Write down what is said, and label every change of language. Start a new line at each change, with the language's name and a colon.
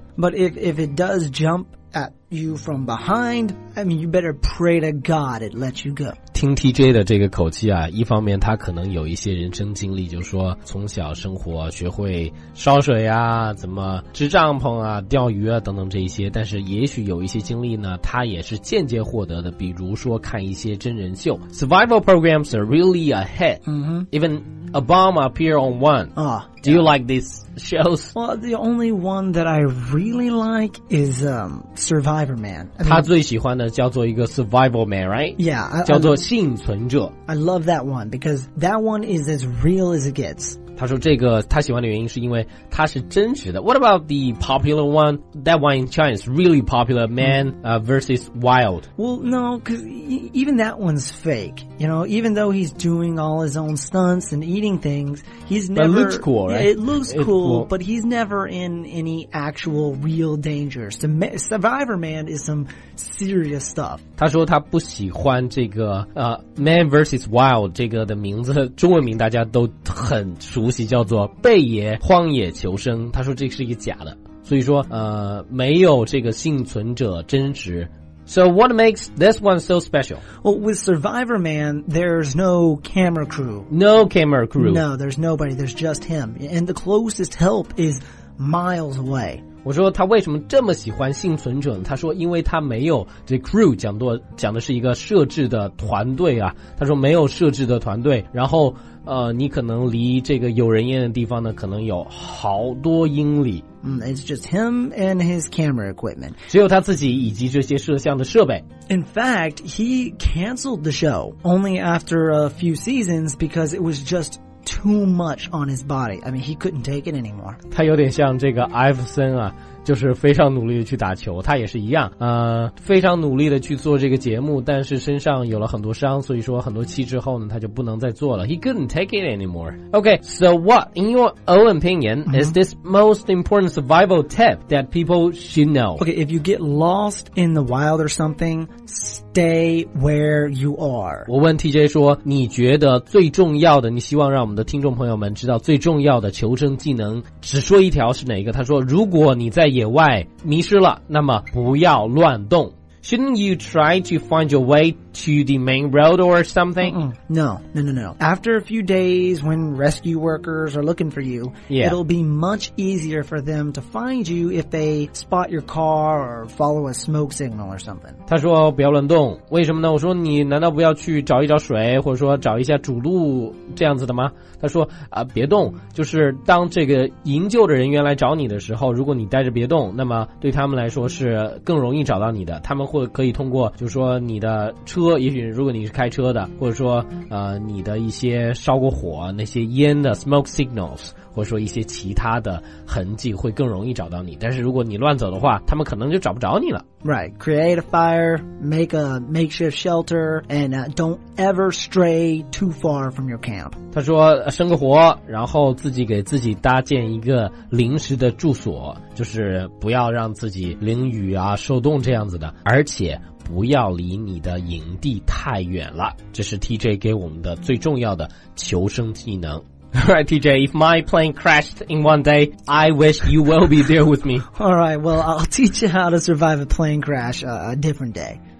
English: But if it does jumpat you from behind, I mean, you better pray to God it let you go.
Chinese: 听 TJ 的这个口气啊，一方面他可能有一些人生经历，就是说从小生活学会烧水啊，怎么支帐篷啊，钓鱼啊等等这些，但是也许有一些经历呢，他也是间接获得的，比如说看一些真人秀。
English: Survival programs are really a hit. Even a bomb appear on one. Do you like this? Shows. Well, the only one that I really like is Survivor Man. I mean,
Chinese: 他最喜欢的叫做一个 Survival Man,
English: right? Yeah.
Chinese: 叫做幸存者。
English: I love that one because that one is as real as it gets.
Chinese: 他说这个他喜欢的原因是因为他是真实的。
English: What about the popular one? That one in China is really popular, Man versus Wild. Well, no, because even that one's fake. You know, even though he's doing all his own stunts and eating things, he's never... But it looks cool, right? It looks cool. But he's never in any actual real danger. Survivor Man is some serious stuff.
Chinese: 他说他不喜欢这个Man vs. Wild 这个的名字，中文名大家都很熟悉，叫做贝爷荒野求生。他说这是一个假的，所以说没有这个幸存者真实。
English: So what makes this one so special? Well, with Survivor Man, there's no camera crew. No camera crew. No, there's nobody. There's just him. And the closest help is miles away.
Chinese: 我说他为什么这么喜欢幸存者呢？他说因为他没有这 crew, 讲的是一个设置的团队啊。他说没有设置的团队，然后你可能离这个有人烟的地方呢，可能有好多英里。
English: It's just him and his camera equipment.
Chinese: 只有他自己以及这些摄像的设备。
English: In fact, he canceled the show only after a few seasons because it was just too much on his body. I mean, he couldn't take it anymore.
Chinese: 他有点像这个艾弗森啊，就是非常努力的去打球，他也是一样，非常努力的去做这个节目，但是身上有了很多伤，所以说很多期之后呢，他就不能再做了。
English: He couldn't take it anymore. Okay, so what, in your own opinion, is this most important survival tip that people should know? Okay, if you get lost in the wild or something, stay where you are.
Chinese: 我问 TJ 说，你觉得最重要的，你希望让我们的听众朋友们知道最重要的求生技能，只说一条是哪一个？他说，如果你在野外迷失了，那么不要乱动。
English: Shouldn't you try to find your way to the main road or something? No. After a few days when rescue workers are looking for you, it'll be much easier for them to find you if they spot your car or follow a smoke signal or something.
Chinese: 他说不要乱动，为什么呢？我说你难道不要去找一找水，或者说找一下主路这样子的吗？他说别动，就是当这个营救的人员来找你的时候，如果你待着别动，那么对他们来说是更容易找到你的。他们会可以通过就是说你的车车，也许如果你是开车的，或者说你的一些烧过火那些烟的 smoke signals， 或者说一些其他的痕迹会更容易找到你。但是如果你乱走的话，他们可能就找不着你了。
English: Right, create a fire, make a makeshift shelter, and don't ever stray too far from your camp.
Chinese: 他说生个火，然后自己给自己搭建一个临时的住所，就是不要让自己淋雨啊、受冻这样子的，而且不要离你的营地太远了，这是 TJ 给我们的最重要的求生技能。
English: Alright, TJ, if my plane crashed in one day, I wish you will be there with me. Alright, well, I'll teach you how to survive a plane crash a different day.